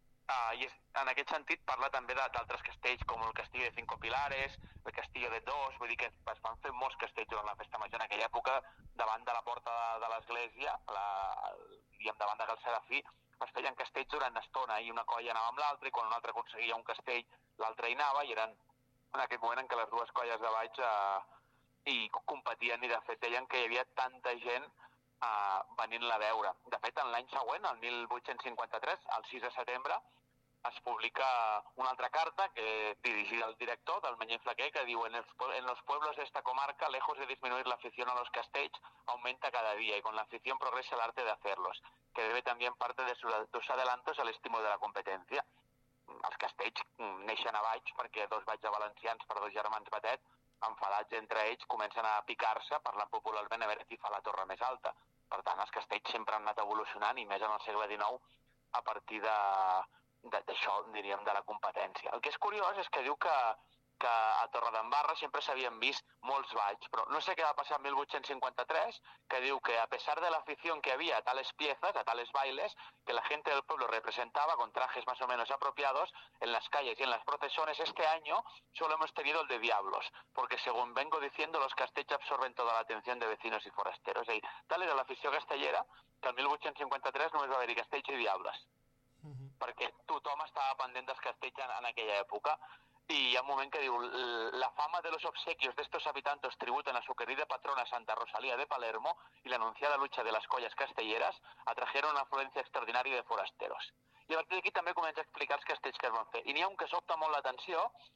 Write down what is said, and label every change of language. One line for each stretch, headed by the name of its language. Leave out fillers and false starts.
Catalan: I és, en aquest sentit parla també d'altres castells, com el Castillo de Cinco Pilares, el Castillo de Dos, vull dir que es van fer molts castells durant la Festa Major en aquella època, davant de la porta de l'església, i davant de Cal Serafí, es feien castells durant estona, i una colla anava amb l'altra, i quan una altra aconseguia un castell, l'altra hi anava, i eren en aquest moment en què les dues colles de Baix hi competien, i de fet deien que hi havia tanta gent venint-la a veure. De fet, en l'any següent, el 1853, el 6 de setembre, es publica una altra carta que dirigida al director del Mañé i Flaquer, que diu,
Spanish: en los pueblos de esta comarca, lejos de disminuir la afición a los castells, aumenta cada día, y con la afición progresa el arte de hacerlos, que debe también parte de sus adelantos al estímulo de la competencia.
Catalan: Els castells neixen a Baix perquè dos baix de valencians per dos germans Batet, enfadats entre ells, comencen a picar-se, parlant popularment, a veure qui fa la torre més alta. Per tant, els castells sempre han anat evolucionant, i més en el segle XIX, a partir d'això, diríem, de la competència. El que és curiós és que diu que
Spanish: a Torredembarra sempre s'havien vist molts baix, però no sé què va passar en 1853, que diu que a pesar de la afición que havia a tales piezas, a tales bailes, que la gente del pueblo representaba con trajes más o menos apropiados en las calles y en las procesiones, este año solo hemos tenido el de diablos, porque según vengo diciendo, los castells absorben toda la atención de vecinos y forasteros. Y tal era la afición castellera,
Catalan: que en 1853 només va haver-hi castells i diables, perquè tothom estava pendent dels castells en aquella època.
Spanish: Y hay un momento que digo, la fama de los obsequios de estos habitantes tributan a su querida patrona Santa Rosalía de Palermo, y la anunciada lucha de las collas castelleras atrajeron una afluencia extraordinaria de forasteros. Y a partir de aquí también comienza a explicar los castells
Catalan: que es van fer. Y n'hi ha un que sobta molt l'atenció,